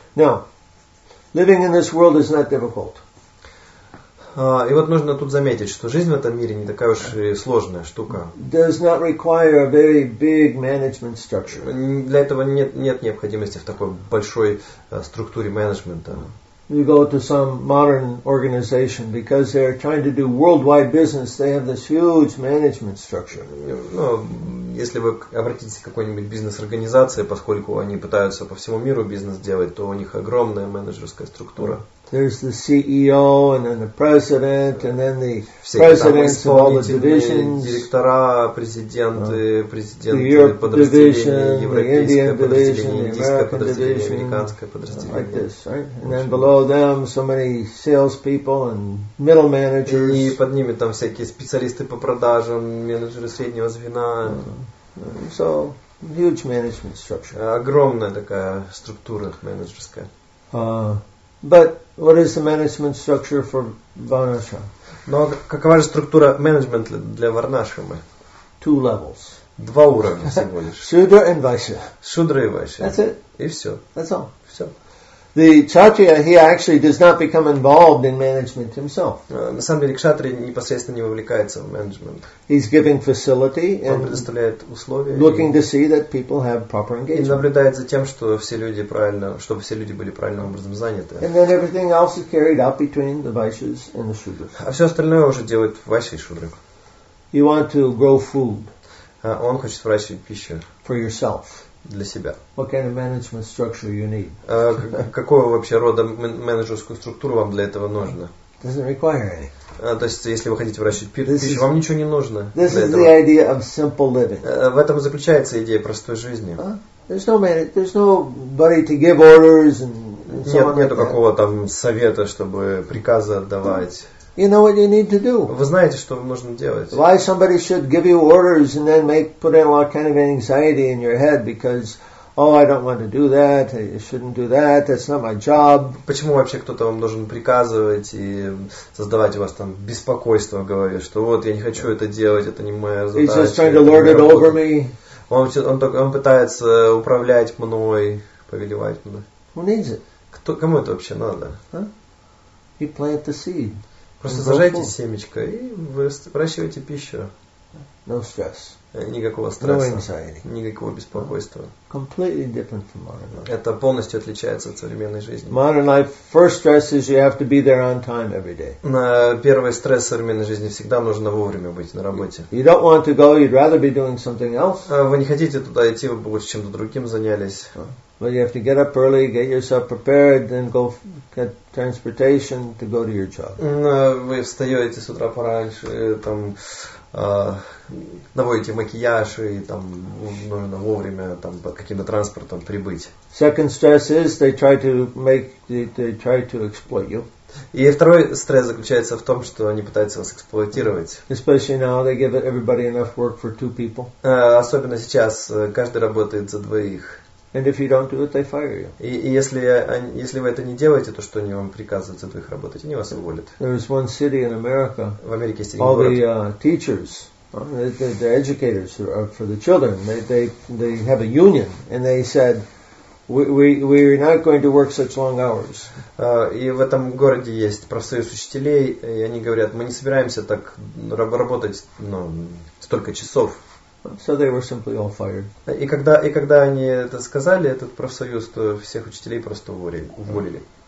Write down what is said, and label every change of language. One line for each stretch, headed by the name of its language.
English: Now, living in this world is not difficult.
Russian: И вот нужно тут заметить, что жизнь в этом мире не такая уж и сложная штука.
English: Does not require a very big management structure.
Russian: Для этого нет необходимости в такой большой структуре менеджмента.
English: You go to some modern organization because they're trying to do worldwide business. They have this huge management structure.
Russian: Ну, если вы обратитесь к какой-нибудь бизнес-организации, поскольку они пытаются по всему миру бизнес делать, то у них огромная менеджерская структура.
English: There's the CEO and then the president and then the presidents of all the divisions.
Russian: Директора, президенты, президенты подразделений, европейское подразделение, индийское подразделение, американское подразделение.
English: Like this, right? And then below them so many salespeople and middle managers.
Russian: И под ними там всякие специалисты по продажам, менеджеры среднего звена.
English: So huge management structure.
Russian: Огромная такая структура менеджерская.
English: But what is the management structure for Varnashram?
Russian: Но какова же структура менеджмента для Варнашрамы?
English: Two levels.
Russian: Два уровня всего лишь.
English: Шудра and Вайша.
Russian: Шудра и Вайша.
English: That's it.
Russian: И все.
English: That's all.
Russian: Все.
English: The Kshatriya, he actually does not become involved in management himself.
Russian: На самом деле Кшатрия непосредственно не вовлекается в менеджмент.
English: He's giving facility and
Russian: предоставляет условия,
English: looking to see that people have proper engagement.
Russian: И наблюдает за тем, что все люди правильно, чтобы все люди были правильным образом заняты.
English: And then everything else is carried out between the Vaishyas and the Shudras.
Russian: А все остальное уже делают Вайши и Шудры.
English: You want to grow food.
Russian: Он хочет выращивать пищу.
English: For yourself.
Russian: Для себя.
English: What kind of management structure you need?
Russian: Какого вообще рода менеджерскую структуру вам для этого нужно?
English: Doesn't require any.
Russian: То есть, если вы хотите выращивать пищу, вам ничего не нужно.
English: This is the idea of simple living.
Russian: В этом заключается идея простой жизни.
English: There's no manager. There's nobody to give orders and so on.
Russian: Нету какого там совета, чтобы приказы отдавать.
English: You know what you need to do.
Russian: Вы знаете, что вам нужно делать.
English: Why somebody should give you orders and then make put in a lot kind of anxiety in your head because, oh, I don't want to do that, I shouldn't do that, that's not my job.
Russian: Почему вообще кто-то вам должен приказывать и создавать у вас там беспокойство в голове, что вот я не хочу это делать, это не моя задача.
English: He's just trying to lord it over me.
Russian: Он пытается управлять мной, повелевать мной.
English: Who needs it?
Russian: Кому это вообще надо?
English: He plant the seed.
Russian: Просто зажайте семечко и вы выращиваете пищу.
English: No stress.
Russian: Никакого стресса.
English: No anxiety.
Russian: Никакого беспокойства.
English: Completely different from modern life.
Russian: Это полностью отличается от современной жизни.
English: Modern life, first stress is you have to be there on time every day.
Russian: Первый стресс современной жизни всегда нужно вовремя быть на работе.
English: You don't want to go, you'd rather be doing something else.
Russian: Вы не хотите туда идти, вы бы лучше чем-то другим занялись.
English: But you have to get up early, get yourself prepared, then go get transportation to go to your job.
Russian: Вы встаете с утра пораньше, там наводите макияж и там нужно вовремя там по каким-то транспортом прибыть.
English: Second stress is they try to exploit you.
Russian: И второй стресс заключается в том, что они пытаются вас эксплуатировать.
English: Especially now they give everybody enough work for two people.
Russian: Особенно сейчас каждый работает за двоих.
English: And if you don't do it, they fire you.
Russian: И если вы это не делаете, то что они вам приказывают за двоих работать, они вас уволят.
English: There is one city in America.
Russian: В Америке есть один
English: All
Russian: город.
English: All the teachers, the educators for the children, they have a union, and they said, we're not going to work such long hours.
Russian: И в этом городе есть профсоюз учителей, и они говорят, мы не собираемся так работать, ну, столько часов.
English: So they were simply all fired.
Russian: И когда они это сказали, этот профсоюз, то всех учителей просто уволили.